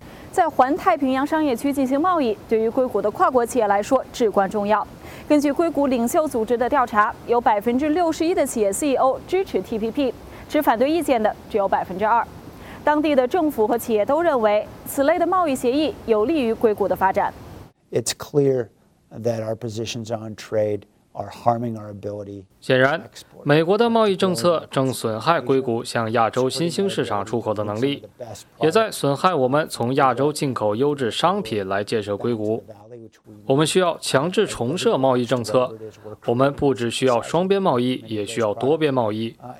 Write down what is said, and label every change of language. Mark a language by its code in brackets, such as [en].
[zh] 在环太平洋商业区进行贸易，对于硅谷的跨国企业来说至关重要。根据硅谷领袖组织的调查，有61%的企业 CEO 支持 TPP， 持反对意见的只有2%。当地的政府和企业都认为，此类的贸易协议有利于硅谷的发展。 [en] It's clear that our positions on trade are harming our ability. [zh] 显然，美国的贸易政策正损害硅谷向亚洲新兴市场出口的能力，也在损害我们从亚洲进口优质商品来建设硅谷。我们需要强制重设贸易政策，我们不只需要双边贸易，也需要多边贸易。